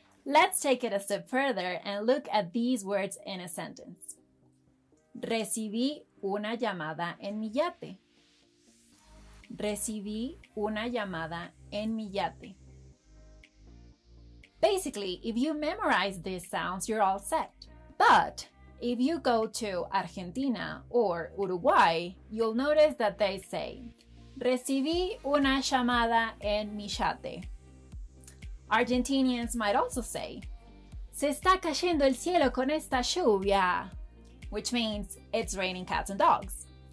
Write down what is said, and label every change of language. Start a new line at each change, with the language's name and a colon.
English: Let's take it a step further and look at these words in a sentence.
Spanish: Recibí una llamada en mi yate. Recibí una llamada en mi yate.
English: Basically, if you memorize these sounds, you're all set. But if you go to Argentina or Uruguay, you'll notice that they say,
Spanish: Recibí una llamada en mi yate.
English: Argentinians might also say,
Spanish: Se está cayendo el cielo con esta lluvia,
English: which means it's raining cats and dogs.